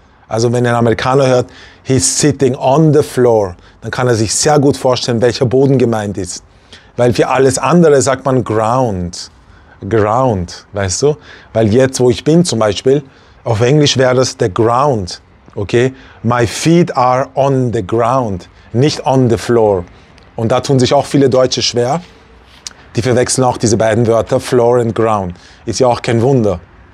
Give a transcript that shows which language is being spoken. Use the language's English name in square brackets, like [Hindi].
[German] Also wenn ein Amerikaner hört, [English] he's sitting on the floor, [German] dann kann er sich sehr gut vorstellen, welcher Boden gemeint ist. Weil für alles andere sagt man ground. Ground, weißt du? Weil jetzt, wo ich bin zum Beispiel, auf Englisch wäre das the ground. Okay? [English] My feet are on the ground, nicht on the floor. [German] Und da tun sich auch viele Deutsche schwer. Die verwechseln auch diese beiden Wörter, floor and ground. Ist ja auch kein Wunder.